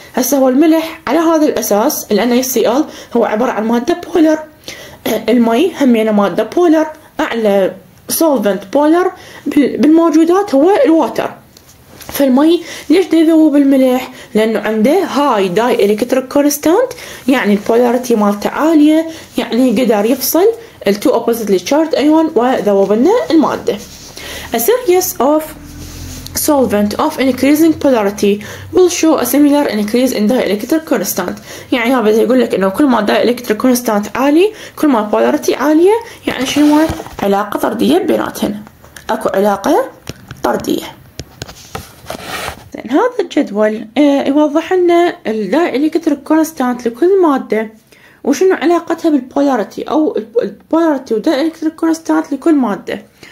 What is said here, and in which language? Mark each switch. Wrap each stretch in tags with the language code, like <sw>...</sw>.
<ar>هسه هو الملح على هذا الأساس، ال NaCl هو عبارة عن مادة بولر، المي همينة مادة بولر، أعلى solvent بولر بالموجودات هو الواتر، فالمي ليش يذوب الملح؟ لأنه عنده هاي داي إلكتريك كونستانت، يعني البولاريتي مالته عالية، يعني قدر يفصل ال</ar> <en>two oppositely charged ion</en> <ar>وذوب لنا المادة.</ar> <en>A series of solvent of increasing polarity will show a similar increase in the electric constant.</en> <ar>يعني هذا بده يقول لك انه كل ما داي الكتريك كونستانت عالي كل ما البولاريتي عالية، يعني شنو علاقة طردية بيناتهن؟ اكو علاقة طردية. زين هذا الجدول يوضح لنا الداي الكتريك كونستانت لكل مادة وشنو علاقتها بالبولاريتي، او البولاريتي وداي الكتريك كونستانت لكل مادة.</ar>